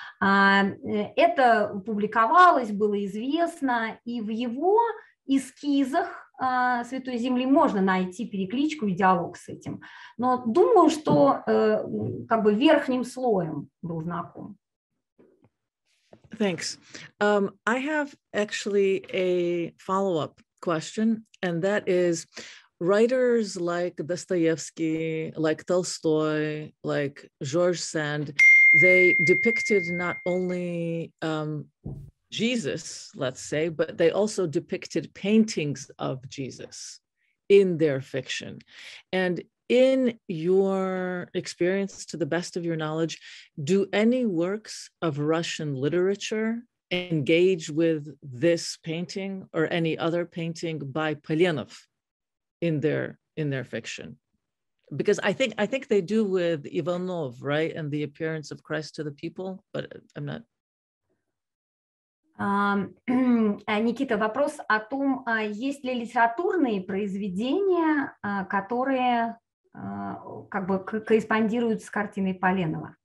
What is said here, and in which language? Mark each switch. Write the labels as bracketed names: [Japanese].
[Russian] Это публиковалось, было известно, и в его эскизах Святой Земли можно найти перекличку и диалог с этим. Но думаю, что как бы верхним слоем был знаком. [English] Thanks. I have actually a follow-up question, and that is writers like Dostoevsky, like Tolstoy, like George Sand, they depicted not only Jesus, let's say, but they also depicted paintings of Jesus in their fiction. And in your experience, to the best of your knowledge, do any works of Russian literature engage with this painting or any other painting by Polyanov in their fiction? Because I think they do with Ivanov, right? And the appearance of Christ to the people, but I'm not. [Russian] Никита, вопрос о том, есть ли литературные произведения, которые как бы корреспондируют с картиной Поленова?